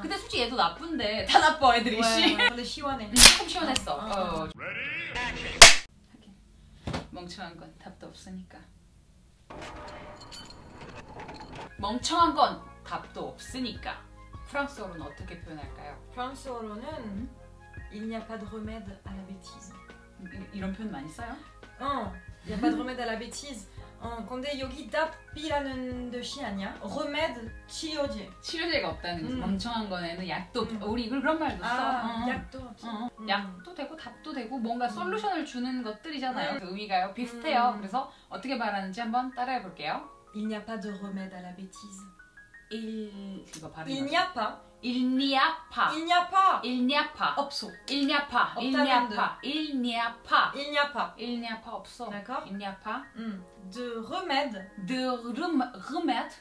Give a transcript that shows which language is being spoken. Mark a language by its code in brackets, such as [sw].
[ko] 근데 솔직히 얘도 나쁜데 다 나빠 애들이 씨. 근데 시원해. 조금 시원했어. 멍청한 건 답도 없으니까. 멍청한 건 답도 없으니까. 프랑스어로는 어떻게 표현할까요? 프랑스어로는 [fr] Il n'y a pas de remède à la bêtise. [ko] 이런 표현 많이 써요? 어. [fr] Il n'y a pas de remède à la bêtise. [ko] 근데 여기 답이라는 뜻이 아니야. 레메드 치료제. 치료제가 없다는 거지. 멍청한 거에는 약도 우리 이걸 그런 말도 써. 아, 약도 없지. 약도 되고 답도 되고 뭔가 솔루션을 주는 것들이잖아요. 그 의미가요. 비슷해요. 그래서 어떻게 말하는지 한번 따라해 볼게요. [fr] Il n'y a pas de remède à la bêtise. Il n'y a pas. Il n'y a pas. Il n'y a pas. Il n'y a pas. [ko] 없어. [fr] Il n'y a pas. Il n'y a pas. Il n'y a pas. Il n'y a pas. Il n'y a pas. [ko] 없어. [fr] D'accord. Il n'y a pas. De remède. De remède.